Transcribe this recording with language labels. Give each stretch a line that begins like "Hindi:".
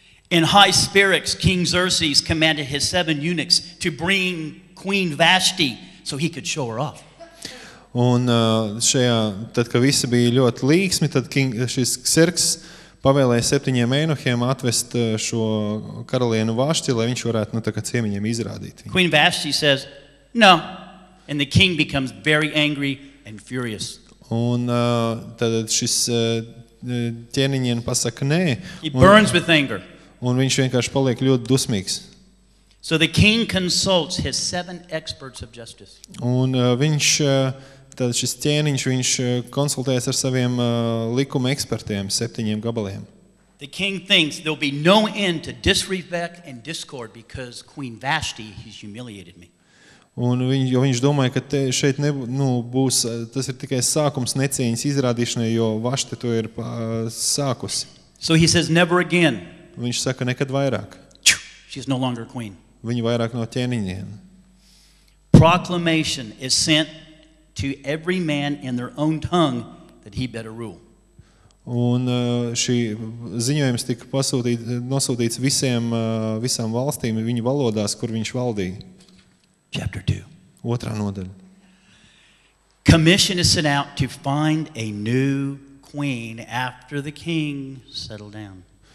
English: In high spirits, King Xerxes commanded his seven eunuchs to bring Queen Vashti so he could show her off.
Latvian: Un šajā, tad, kad visi bija ļoti līksmi, tad šis Xerxes pavēlēja septiņiem eunuchiem atvest šo karalienu Vašti, lai viņš varētu tā kā ciemiņiem izrādīt.
English: Queen Vashti says, no. And the king becomes very angry and furious.
Latvian: Un tad šis ķēniņien pasaka nē.
English: He burns with anger.
Latvian: Un viņš vienkārši paliek ļoti dusmīgs.
English: So the king consults his seven experts of justice.
Latvian: Un viņš Tad šis ķēniņš, viņš konsultējas ar saviem likuma ekspertiem, septiņiem gabaliem.
English: The king thinks there'll be no end to disrespect and discord because Queen Vashti has humiliated me.
Latvian: Un viņš domāja, ka šeit būs, tas ir tikai sākums necieņas izrādīšanai, jo Vašti to ir sākusi.
English: So he says never again.
Latvian: Viņš saka nekad vairāk.
English: She's no longer queen.
Latvian: Viņa vairāk no ķēniņiem.
English: Proclamation is sent to every man in their own tongue that he better rule.
Latvian: Un šī ziņojums tika nosūtīts visiem visām valstīm viņu valodās, kur viņš valdīja.
English: Chapter 2.
Latvian: Otrā nodaļa.
English: Commission is sent out to find a new queen after the king settled down.